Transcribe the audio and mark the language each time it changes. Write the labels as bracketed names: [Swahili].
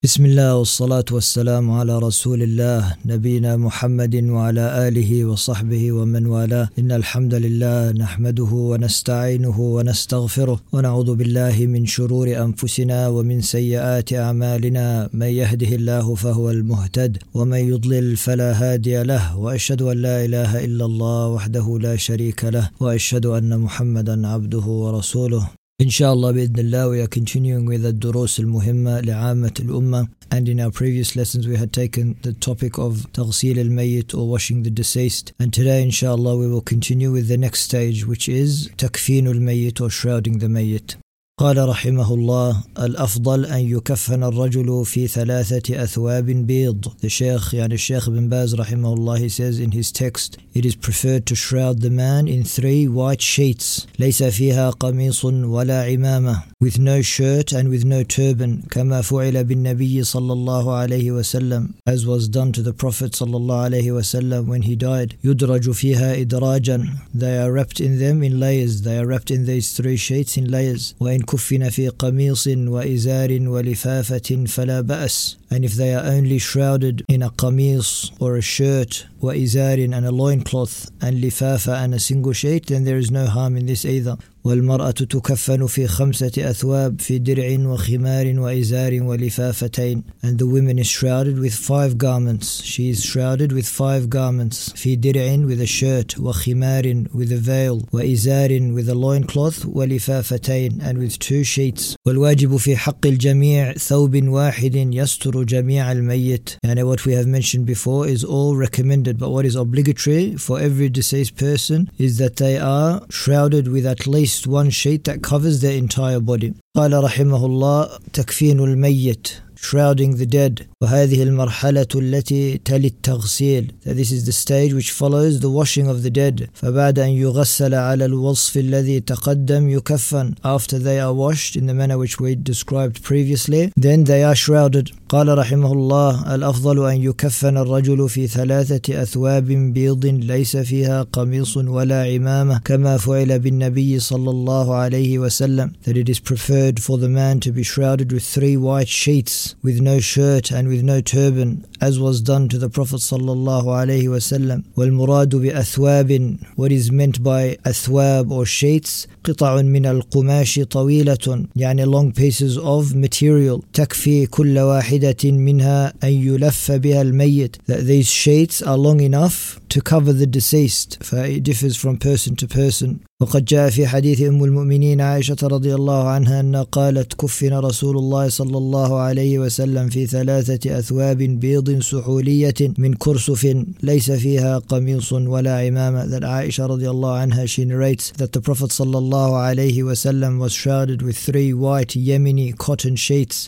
[Arabic] بسم الله والصلاة والسلام على رسول الله نبينا محمد وعلى آله وصحبه ومن والاه إن الحمد لله نحمده ونستعينه ونستغفره ونعوذ بالله من شرور أنفسنا ومن سيئات أعمالنا من يهده الله فهو المهتد ومن يضلل فلا هادي له وأشهد أن لا إله إلا الله وحده لا شريك له وأشهد أن محمدا عبده ورسوله [English] Inshallah, bi'idhnillah, we are continuing with the durus al-muhimma li'amat al-umma. And in our previous lessons, we had taken the topic of taghseel al-mayyit, or washing the deceased. And today, inshallah, we will continue with the next stage, which is takfeen al-mayyit, or shrouding the mayyit. [Arabic] قال رحمه الله الأفضل أن يكفن الرجل في ثلاثة أثواب بيض. [English] The Sheikh, [Arabic] يعني الشيخ بن باز رحمه الله, [English] he says in his text, it is preferred to shroud the man in three white sheets. [Arabic] ليس فيها قميص ولا عمامة. [English] With no shirt and with no turban. [Arabic] كما فعل بالنبي صلى الله عليه وسلم. [English] As was done to the Prophet صلى الله عليه وسلم when he died. [Arabic] يدرج فيها إدراجا. [English] They are wrapped in them in layers. They are wrapped in these three sheets in layers. [Arabic] وإن كفن في قميص وإزار ولفافة فلا بأس. [English] And if they are only shrouded in a qamis or a shirt, وإزار and a loincloth, and لفافة and a single sheet, then there is no harm in this either. [Arabic] والمرأة تكفن في خمسة أثواب في درع وخمار وإزار ولفافتين. [English] And the woman is shrouded with five garments. She is shrouded with five garments. في درع with a shirt, وخمار with a veil, وإزار with a loincloth, ولفافتين and with two sheets. [Arabic] والواجب في حق الجميع ثوب واحد يستر جميع الميت. [English] And what we have mentioned before is all recommended, but what is obligatory for every deceased person is that they are shrouded with at least one sheet that covers their entire body. [Arabic] قال رحمه الله تكفين الميت, [English] shrouding the dead. [Arabic] وهذه المرحلة التي تلي التغسيل. [English] So this is the stage which follows the washing of the dead. [Arabic] فبعد أن يغسل على الوصف الذي تقدم يكفن. [English] After they are washed in the manner which we described previously, then they are shrouded. [Arabic] قال رحمه الله الأفضل أن يكفن الرجل في ثلاثة أثواب بيض ليس فيها قميص ولا عمامة كما فعل بالنبي صلى الله عليه وسلم. [English] That it is preferred for the man to be shrouded with three white sheets, with no shirt and with no turban, as was done to the Prophet sallallahu alayhi wa sallam. [Arabic] والمراد بأثواب, [English] what is meant by [Arabic] أثواب or sheets, قطع من القماش طويلة, يعني [English] long pieces of material, [Arabic] تكفي كل واحدة منها أن يلف بها الميت, [English] that these sheets are long enough to cover the deceased, for it differs from person to person. [Arabic] وقد جاء في حديث أم المؤمنين عائشة رضي الله عنها أن قالت كفن رسول الله صلى الله عليه وسلم في ثلاثة أثواب بيض سحولية من كرسف ليس فيها قميص ولا عمامة. [English] That عائشة رضي الله عنها, she narrates that the Prophet صلى الله عليه وسلم was shrouded with three white Yemeni cotton sheets.